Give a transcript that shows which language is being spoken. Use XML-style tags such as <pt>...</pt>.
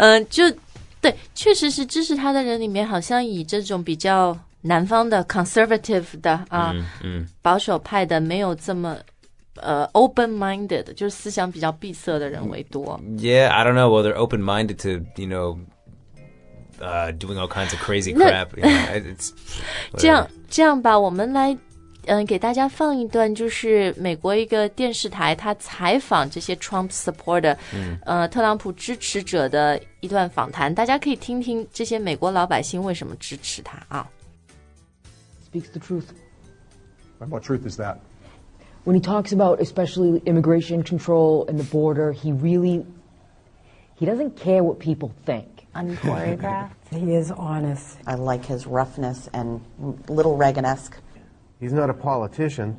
<zh>就对，确实是支持他的人里面，好像以这种比较南方的 conservative 的啊，保守派的，没有这么open-minded， 就是思想比较闭塞的人为多。</zh> <en>Yeah, I don't know. Well, they're open-minded to, you know. Doing all kinds of crazy crap. You know, it's</en> <zh>这样吧，我们来给大家放一段，就是美国一个电视台他采访这些 Trump supporter，特朗普支持者的一段访谈，大家可以听听这些美国老百姓为什么支持他啊。</zh> <en>Speaks the truth. What truth is that? When he talks about especially immigration control and the border, he doesn't care what people think. Unchoreographed. He is honest. I like his roughness and little Reagan-esque. He's not a politician.</en>